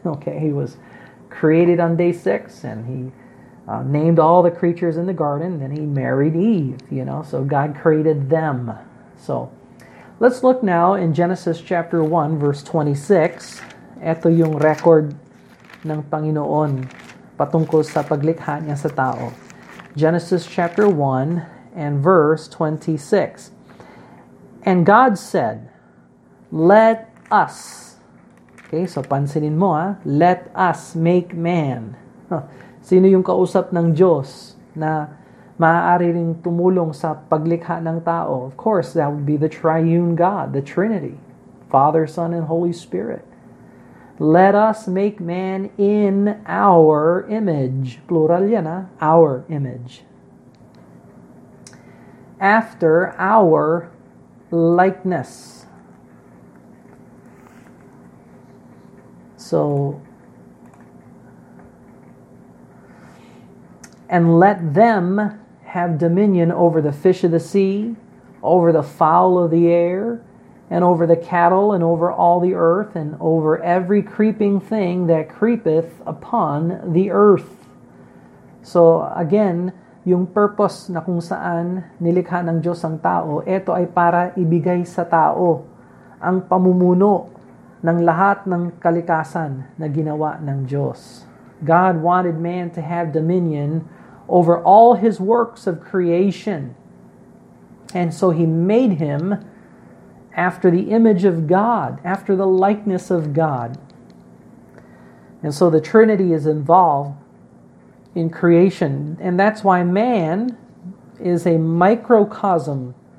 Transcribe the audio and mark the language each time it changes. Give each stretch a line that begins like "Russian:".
English: Okay, he was created on day 6 and he named all the creatures in the garden, then he married Eve, you know, so God created them. So let's look now in Genesis chapter 1 verse 26.
Filipino: Ito yung record ng Panginoon patungkol sa paglikha niya sa tao.
English: Genesis chapter 1 and verse 26. "And God said, let us," okay,
Filipino: so pansinin mo,
English: "let us make man."
Filipino: Sino yung kausap ng Diyos na maaari rin tumulong sa paglikha ng tao?
English: Of course, that would be the triune God, the Trinity, Father, Son, and Holy Spirit. "Let us make man in our image," plural yan, our image, "after our likeness." So, "and let them have dominion over the fish of the sea, over the fowl of the air, and over the cattle, and over all the earth, and over every creeping thing that creepeth upon the earth." So again,
Filipino: yung purpose na kung saan nilikha ng Diyos ang tao, ito ay para ibigay sa tao ang pamumuno ng lahat ng kalikasan na ginawa ng Diyos.
English: God wanted man to have dominion over all his works of creation. And so he made him after the image of God, after the likeness of God. And so the Trinity is involved in creation. And that's why man is a microcosm